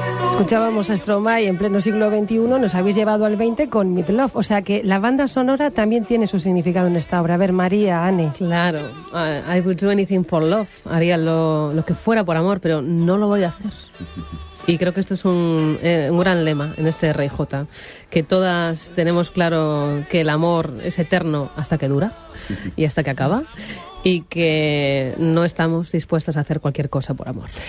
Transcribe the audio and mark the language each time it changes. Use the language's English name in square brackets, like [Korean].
[Spanish] Escuchábamos a Stromae en pleno siglo XXI, nos habéis llevado al XX con Meat Loaf. O sea que la banda sonora también tiene su significado en esta obra. A ver, María, Anne. [English] Claro, I would do anything for love. [Spanish] Haría lo que fuera por amor, pero no lo voy a hacer. Y creo que esto es un gran lema en este Rey J, que todas tenemos claro que el amor es eterno hasta que dura y hasta que acaba. Y que no estamos dispuestas a hacer cualquier cosa por amor.